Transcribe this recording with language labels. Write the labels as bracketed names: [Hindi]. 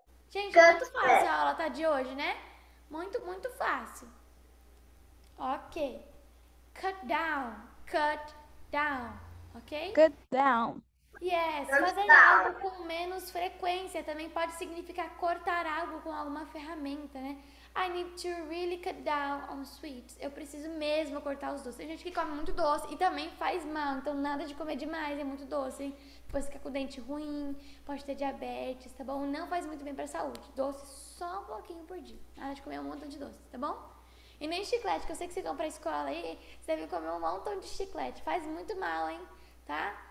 [Portuguese] Gente, muito fácil a aula tá de hoje, né? Muito, muito fácil. Ok. [English] Cut down, ok? Cut down. [Portuguese] Yes, fazer algo com menos frequência também pode significar cortar algo com alguma ferramenta, né? [English] I need to really cut down on sweets. [Portuguese] Eu preciso mesmo cortar os doces. Tem gente que come muito doce e também faz mal, então nada de comer demais, é muito doce, hein? Depois fica com o dente ruim, pode ter diabetes, tá bom? Não faz muito bem pra saúde. Doce só um pouquinho por dia. Nada de comer um montão de doce, tá bom? E nem chiclete, que eu sei que você compra a escola aí, você deve comer um montão de chiclete. Faz muito mal, hein? Tá?